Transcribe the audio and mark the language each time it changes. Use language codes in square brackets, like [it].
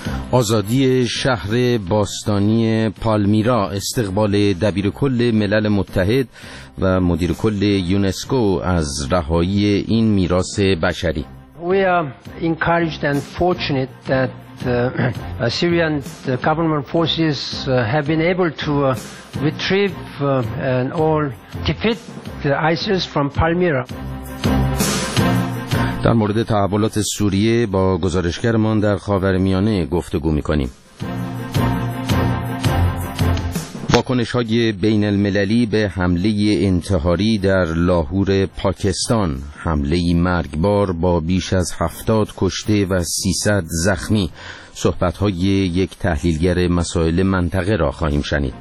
[fa] آزادی شهر باستانی پالمیرا، استقبال دبیر کل ملل متحد و مدیر کل یونسکو از رهایی این میراث بشری. [en] We are encouraged and fortunate that Syrian government forces have been able to retrieve and all defeat the ISIS from Palmyra. [fa] در مورد تحولات سوریه با گزارشگرمان در خاورمیانه گفتگو می‌کنیم. واکنش‌های بین المللی به حمله انتحاری در لاهور پاکستان، حمله مرگبار با بیش از 70 کشته و 300 زخمی، صحبت‌های یک تحلیلگر مسائل منطقه را خواهیم شنید.